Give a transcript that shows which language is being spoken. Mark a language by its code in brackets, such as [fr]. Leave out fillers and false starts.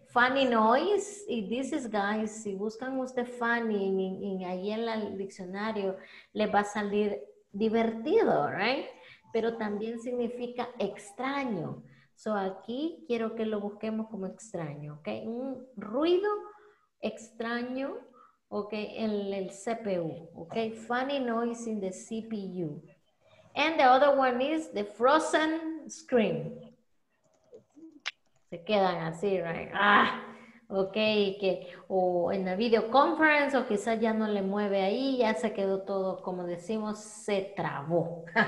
[es] Funny noise, y [en] this is guys, [es] si buscan usted funny en ahí en el diccionario, le va a salir divertido, right? Pero también significa extraño. So aquí quiero que lo busquemos como extraño, ok? Un ruido extraño, ok, en el CPU, ok? [en] Funny noise in the CPU. And the other one is the frozen screen. [es] Se quedan así, right? Ah, okay, que o en la video conference o quizás ya no le mueve ahí, ya se quedó todo, como decimos, se trabó.